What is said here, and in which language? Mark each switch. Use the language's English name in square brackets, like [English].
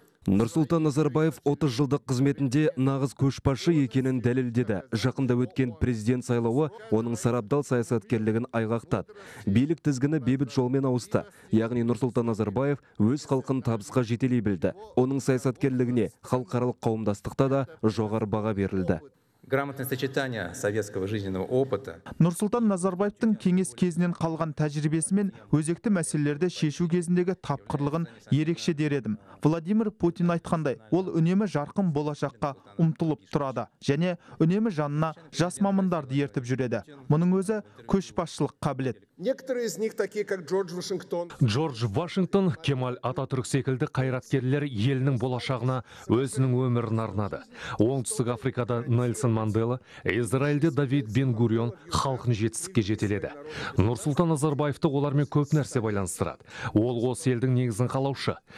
[Kazakh] Нұрсұлтан Назарбаев 30 жылдық қызметінде нағыз көшбасшы екенін дәлелдеді. Жақында өткен президент сайлауы оның сарабдал саясаткерлігін айғақтады. Билік тізгіні бейбіт жолмен ауысты. Яғни Нұрсұлтан Назарбаев өз халқын табысқа жетелей білді. Оның саясаткерлігіне халықаралық қауымдастықта да жоғары баға берілді. [Russian] Грамотное сочетание советского жизненного опыта. [Kazakh] Нұрсұлтан Назарбаевтың кеңес кезінен қалған тәжірибесі мен өзекті мәселелерді шешу кезіндегі тапқырлығын ерекше дередім. Владимир Путин айтқандай, ол үнемі жарқын болашаққа ұмтылып тұрады және үнемі жанына жас мамандарды ертіп жүреді. Мұның өзі көшбасшылық қабілет. [Russian] Некоторые из них такие, как Джордж Вашингтон. [Kazakh] Джордж Вашингтон, Кемаль Ататүрік секілді қайраткерлер елінің болашағына өзінің өмірін арнады. Оңтүстік Африкада Нельсон Мандела, Израильде Давид Бен-Гурион халқын жетістікке жетеледі. Нұрсұлтан Назарбаевты олармен көп нәрсе байланыстырады. Ол осы елдің негізін қалаушы.